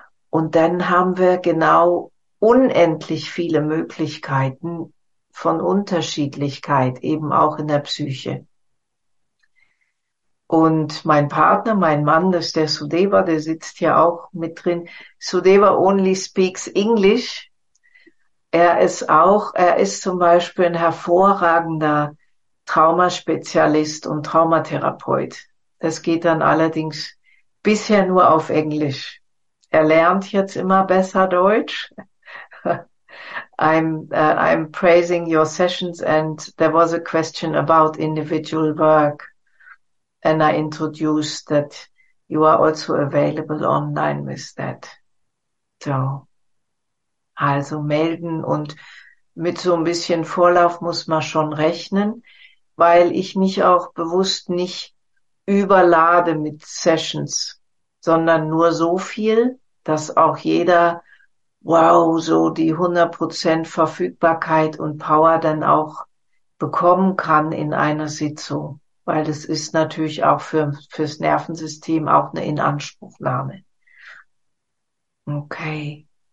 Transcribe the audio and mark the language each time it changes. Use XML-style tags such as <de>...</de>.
<de>Und dann haben wir genau unendlich viele Möglichkeiten von Unterschiedlichkeit, eben auch in der Psyche. Und mein Partner, mein Mann, das ist der Sudeva, der sitzt hier auch mit drin.</de> <en>Sudeva only speaks English.</en> <de>Er ist zum Beispiel ein hervorragender Traumaspezialist und Traumatherapeut. Das geht dann allerdings bisher nur auf Englisch. Er lernt jetzt immer besser Deutsch.</de> <en>I'm praising your sessions and there was a question about individual work and I introduced that you are also available online with that. So.</en> <de>Also melden und mit so ein bisschen Vorlauf muss man schon rechnen, weil ich mich auch bewusst nicht überlade mit Sessions, sondern nur so viel, dass auch jeder, wow, so die 100% Verfügbarkeit und Power dann auch bekommen kann in einer Sitzung, weil das ist natürlich auch fürs Nervensystem auch eine Inanspruchnahme. Okay.</de>